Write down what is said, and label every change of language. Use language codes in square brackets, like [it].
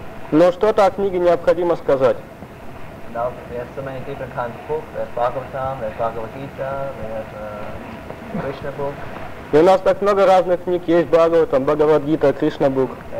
[ru] Но что-то о книге необходимо сказать. [en] and now we have so many different kinds of books. We have Bhagavatam, we have Bhagavad Gita, we have Krishna book. [ru] И у нас так много разных книг есть, Бхагаватам, Бхагавадгита, Кришна Бук.